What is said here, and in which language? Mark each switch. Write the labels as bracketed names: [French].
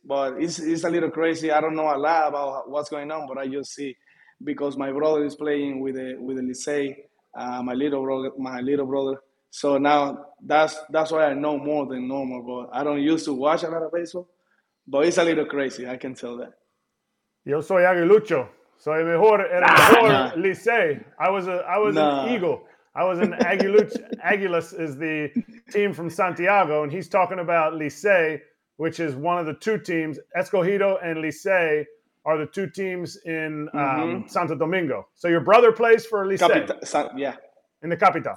[English] But it's a little crazy. I don't know a lot about what's going on, but I just see, because my brother is playing with the Licey, my little brother. So now that's why I know more than normal, but I don't used to watch a lot of baseball, but it's a little crazy, I can tell that. [Spanish] Yo soy Aguilucho, soy mejor Licey. [English] I was an Eagle. I was an Aguilucho. Aguilas is the team from Santiago, and he's talking about Licey, which is one of the two teams. Escogido and Licey are the two teams in Santo Domingo. So your brother plays for Licey? In the capital.